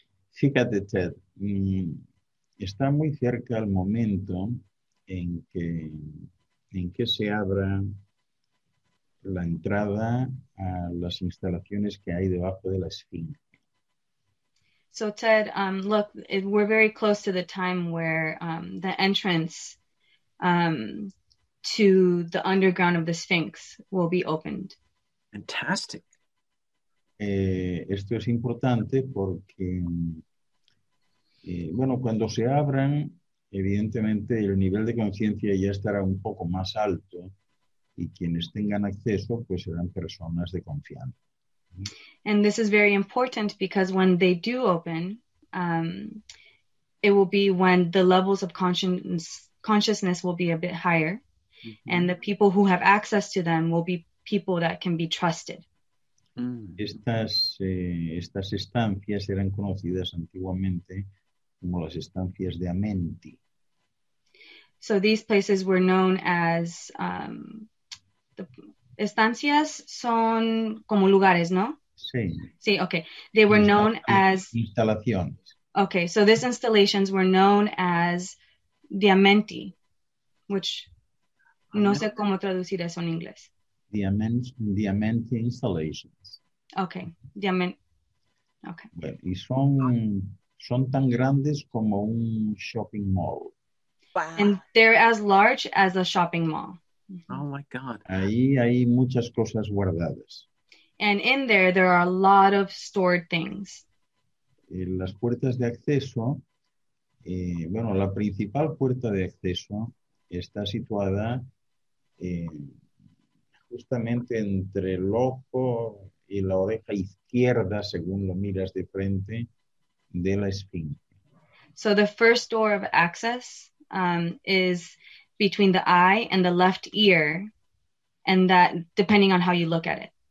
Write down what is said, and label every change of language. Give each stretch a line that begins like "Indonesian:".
Spanish: Fíjate, Ted, está muy cerca el momento en que se abra la entrada a las instalaciones que hay debajo de la esfinge.
English: So, Ted, look, we're very close to the time where the entrance to the underground of the Sphinx will be opened. Fantastic.
Spanish: Esto es importante porque, bueno, cuando se abran, evidentemente el nivel de conciencia ya estará un poco más alto y quienes tengan acceso, pues serán personas de confianza.
English: And this is very important because when they do open, it will be when the levels of consciousness will be a bit higher, mm-hmm. and the people who have access to them will be people that can be trusted.
Spanish: Estas estancias eran conocidas antiguamente como las estancias de Amenti.
English: So these places were known as the
Spanish: estancias son como lugares, ¿no? Sí.
English: Sí, okay. They were known as
Spanish: instalaciones.
English: Okay, so these installations were known as Diamenti, which
Spanish: no sé cómo traducir eso en inglés.
English: Diamenti installations. Okay, Okay.
Spanish: Bueno, y son tan grandes como un shopping mall.
English: Wow. And they're as large as a shopping mall. Oh my God.
Spanish: Ahí hay muchas cosas guardadas.
English: And in there are a lot of stored things.
Spanish: Las puertas de acceso, bueno, la principal puerta de acceso está situada justamente entre el ojo y la oreja izquierda, según lo miras de frente, de la esfinge.
English: So the first door of access is between the eye and the left ear, and that, depending on how you look at it.